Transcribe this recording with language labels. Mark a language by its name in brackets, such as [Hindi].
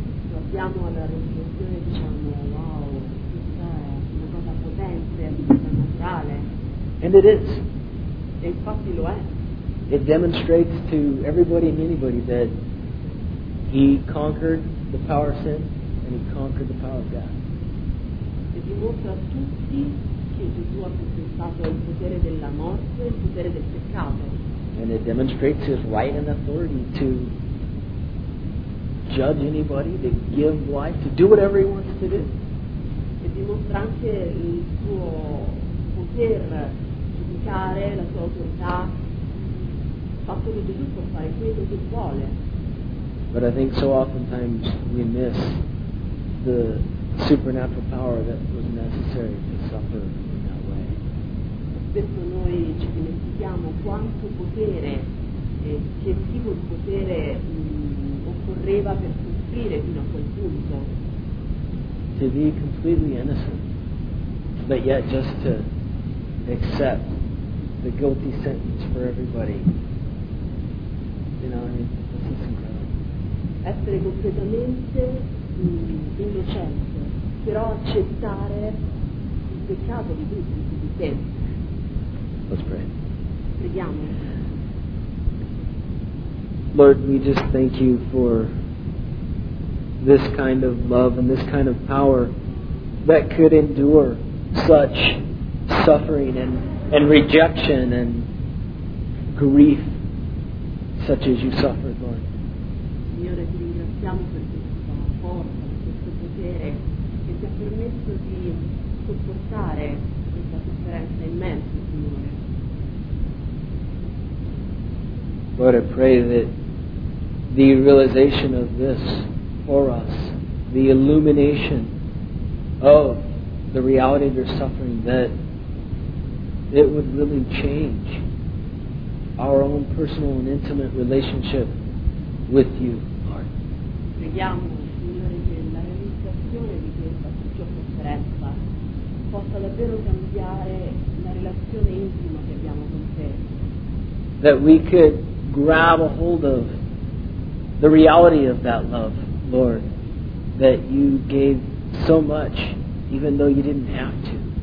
[Italian] Guardiamo alla resurrezione e diciamo, wow, questa è una cosa potente, naturale. [English] And it is. [Italian] E infatti lo è. [English] It demonstrates to everybody and anybody that he conquered the power of sin and he conquered the power of God. [Italian] E dimostra a tutti che Gesù ha conquistato il potere della morte e il potere del peccato. [English] And it demonstrates his right and authority to judge anybody, to give life, to do whatever he wants to do. [Italian] E dimostra anche il suo potere. La sua autorità, il fatto che Gesù può fare quello che vuole. [English] But I think so oftentimes we miss the supernatural power that was necessary to suffer in that way. [Italian] Spesso noi ci dimentichiamo quanto potere e che tipo di potere occorreva per soffrire fino a quel punto. [English] To be completely innocent, but yet just to accept the guilty sentence for everybody. You know, I mean, this is incredible. [Italian] Essere completamente innocente, però accettare il peccato di tutti, di te. [English] Let's pray. [Italian] Preghiamo. [English] Lord, we just thank you for this kind of love and this kind of power that could endure such suffering and rejection and grief such as you suffered, Lord. [Italian] Signore, ti ringraziamo per questa forza, per questo potere che ti ha permesso di sopportare questa sofferenza immensa, Signore. [English] Lord, I pray that the realization of this for us, the illumination of the reality of your suffering, that it would really change our own personal and intimate relationship with you, Lord. [Italian] Preghiamo, Signore, che la realizzazione di questa tua sofferenza possa davvero cambiare la relazione intima che abbiamo con te. [English] that we could grab a hold of the reality of that love, Lord, that you gave so much, even though you didn't have to.